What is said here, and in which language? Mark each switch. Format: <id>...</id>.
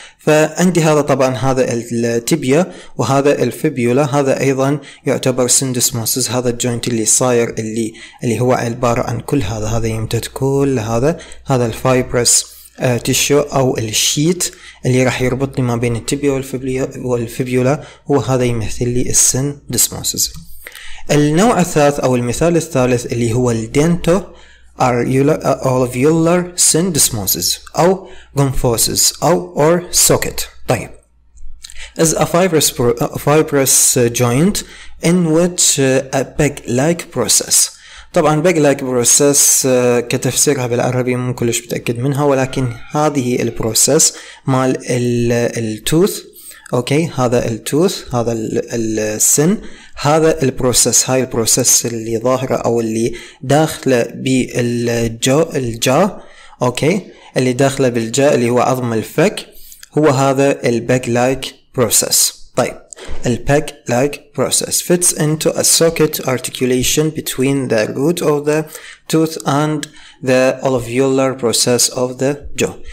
<ar>فعندي هذا طبعا هذا التيبيا وهذا الفيبيولا، هذا أيضا يعتبر سندسموسز، هذا الجوينت اللي صاير اللي هو عبارة عن كل هذا، هذا يمتد كل هذا الفايبرس تيشو أو الشيت اللي راح يربطني ما بين التيبيا والفيبيولا، هو هذا يمثل لي السندسموسز. النوع الثالث أو المثال الثالث اللي هو الدينتو أولفيولر سندسموسز أو غنفوسز أو أور سوكت.</ar> <en>طيب is a fibrous joint in which a peg-like process.</en> <ar>طبعا peg-like process كتفسيرها بالعربي مو كلش بتأكد منها، ولكن هذه البروسس مال التوث، اوكي، هذا التوث، هذا السن، هذا البروسس، هاي البروسس اللي ظاهره او اللي داخله بالجا، اوكي، اللي داخله بالجا اللي هو عظم الفك، هو هذا البيك لايك بروسس. طيب البيك لايك بروسس</ar> <en>fits into a socket articulation between the root of the tooth and the alveolar process of the jaw.</en>